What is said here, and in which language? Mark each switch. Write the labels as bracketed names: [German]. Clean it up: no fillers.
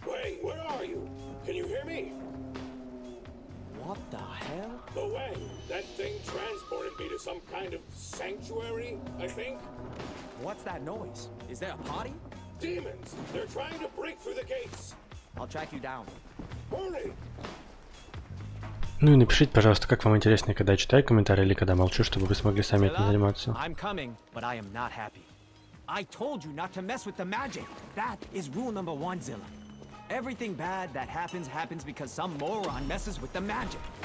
[English] Wait, where are you? Can you hear me? What the hell? Lo Wang, that thing transported me to some kind of sanctuary, I think. What's that noise? Is there a party? Demons! They're trying to break through the gates! I'll track you down. Hurry! [Russian] Ну и напишите, пожалуйста, как вам интереснее, когда я читаю комментарии или когда молчу, чтобы вы смогли сами этим заниматься. [English] I'm coming, but I am not happy. I told you not to mess with the magic. That is rule number one, Zilla. Everything bad that happens, happens because some moron messes with the magic.